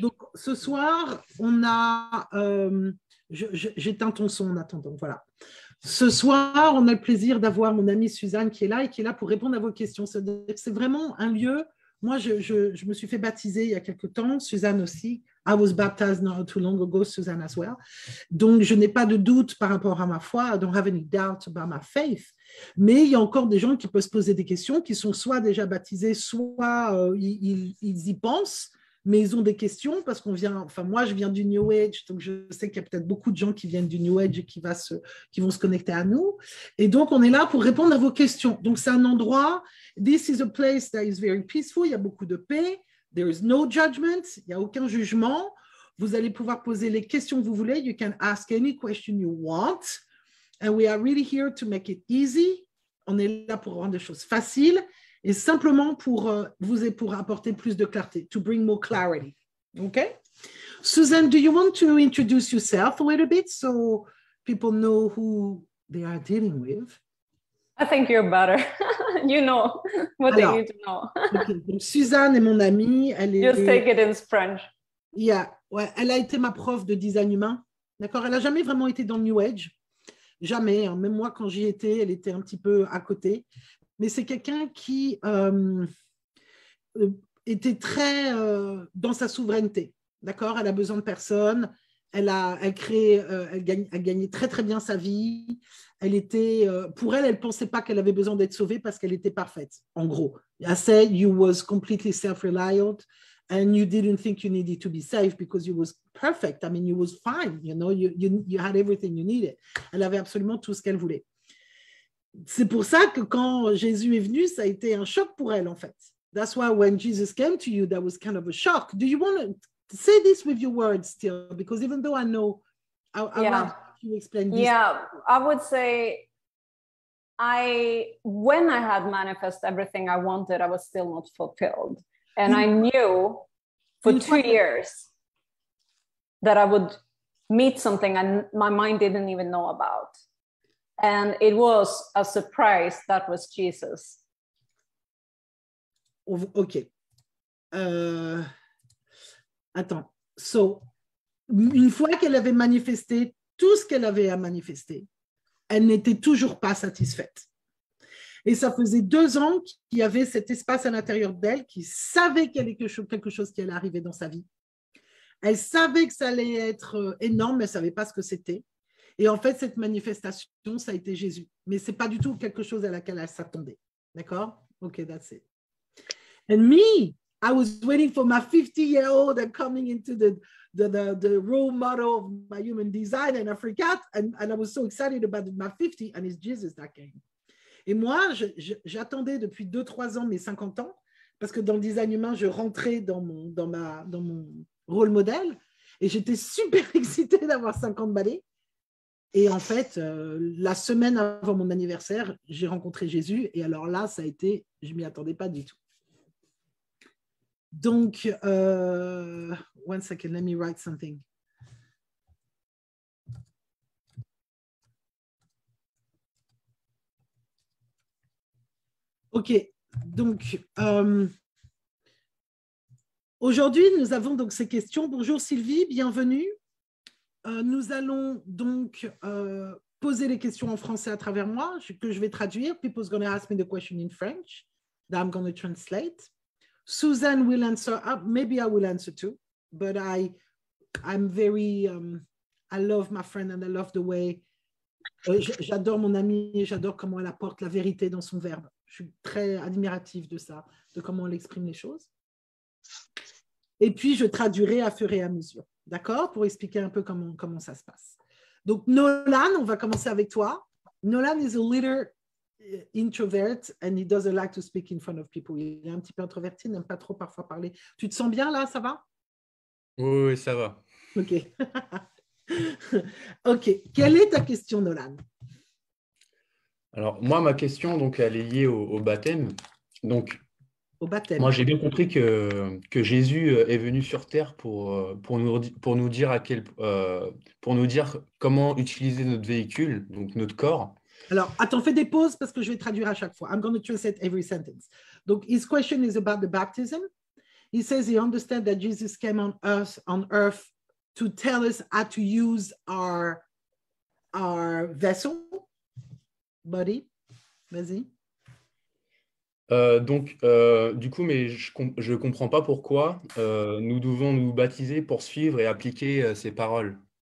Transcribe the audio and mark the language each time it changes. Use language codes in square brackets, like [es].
[fr] Donc ce soir, on a, j'éteins ton son en attendant, voilà. Ce soir, on a le plaisir d'avoir mon amie Suzanne qui est là et qui est là pour répondre à vos questions. C'est vraiment un lieu. Moi, je me suis fait baptiser il y a quelque temps, Suzanne aussi. [en] I was baptized not too long ago, Suzanne as well. [fr] Donc, je n'ai pas de doute par rapport à ma foi. [en] I don't have any doubt about my faith. [fr] Mais il y a encore des gens qui peuvent se poser des questions, qui sont soit déjà baptisés, soit ils y pensent, mais ils ont des questions parce qu'on vient, enfin, moi, je viens du New Age, donc je sais qu'il y a peut-être beaucoup de gens qui viennent du New Age et qui vont se connecter à nous. Et donc, on est là pour répondre à vos questions. Donc, c'est un endroit. [en] This is a place that is very peaceful. [fr] Il y a beaucoup de paix. [en] There is no judgment. [fr] Il n'y a aucun jugement. Vous allez pouvoir poser les questions que vous voulez. [en] You can ask any question you want. And we are really here to make it easy. [fr] On est là pour rendre les choses faciles et simplement pour vous et pour apporter plus de clarté, [en] to bring more clarity. OK? Suzanne, do you want to introduce yourself a little bit so people know who they are dealing with? I think you're better. You know what they need to know. [fr] Okay. Donc, Suzanne est mon amie. Elle est [en] just take it in French. [fr] Yeah. Ouais. Elle a été ma prof de design humain. D'accord, elle n'a jamais vraiment été dans le New Age. Jamais. Hein. Même moi, quand j'y étais, elle était un petit peu à côté. Mais c'est quelqu'un qui était très dans sa souveraineté. D'accord, elle a besoin de personne. Elle a gagné très très bien sa vie. Elle était pour elle, elle pensait pas qu'elle avait besoin d'être sauvée parce qu'elle était parfaite. En gros, [en] I said you was completely self-reliant and you didn't think you needed to be saved because you was perfect. I mean, you was fine. You know, you had everything you needed. [fr] Elle avait absolument tout ce qu'elle voulait. C'est pour ça que quand Jésus est venu, ça a été un choc pour elle en fait. [en] That's why when Jesus came to you, that was kind of a shock. Do you want to say this with your words still, because even though I know, I want to explain this. Yeah, I would say, when I had manifest everything I wanted, I was still not fulfilled. And I knew for 2 years that I would meet something and my mind didn't even know about. And it was a surprise that was Jesus. Okay. [fr] Attends, so, une fois qu'elle avait manifesté tout ce qu'elle avait à manifester, elle n'était toujours pas satisfaite. Et ça faisait 2 ans qu'il y avait cet espace à l'intérieur d'elle qui savait qu'il y avait quelque chose qui allait arriver dans sa vie. Elle savait que ça allait être énorme, mais elle ne savait pas ce que c'était. Et en fait, cette manifestation, ça a été Jésus. Mais ce n'est pas du tout quelque chose à laquelle elle s'attendait. [en] D'accord? Ok, that's it. And me, I was waiting for my 50-year-old and coming into the role model of my human design and I forgot and I was so excited about my 50 and it's Jesus that came. [fr] Et moi, j'attendais depuis 2-3 ans mes 50 ans parce que dans le design humain, je rentrais dans mon rôle modèle et j'étais super excitée d'avoir 50 balais. Et en fait, la semaine avant mon anniversaire, j'ai rencontré Jésus et alors là, ça a été, je ne m'y attendais pas du tout. [en] Donc, one second, let me write something. [fr] OK, donc, aujourd'hui, nous avons donc ces questions. Bonjour Sylvie, bienvenue. Nous allons donc poser les questions en français à travers moi, que je vais traduire. [en] People's going to ask me the question in French that I'm going to translate. Suzanne will answer, maybe I will answer too, but I'm very, I love my friend and I love the way, [fr] j'adore mon amie et j'adore comment elle apporte la vérité dans son verbe. Je suis très admirative de ça, de comment elle exprime les choses. Et puis, je traduirai à fur et à mesure, d'accord, pour expliquer un peu comment ça se passe. Donc, Nolan, on va commencer avec toi. [en] Nolan is a leader introvert and he doesn't like to speak in front of people. [fr] Il est un petit peu introverti, n'aime pas trop parfois parler. Tu te sens bien là, ça va? Oui, oui, ça va. Ok. Ok. Quelle est ta question, Nolan? Alors, moi, ma question, donc, elle est liée au baptême. Donc, au baptême. Moi, j'ai bien compris que Jésus est venu sur Terre pour nous dire comment utiliser notre véhicule, donc notre corps. Alors, attends, fais des pauses parce que je vais traduire à chaque fois. [en] I'm going to translate every sentence. Donc, his question is about the baptism. He says he understands that Jesus came on earth to tell us how to use our vessel. [fr] Buddy, vas-y. Donc, du coup, mais je comprends pas pourquoi nous devons nous baptiser pour suivre et appliquer ses paroles.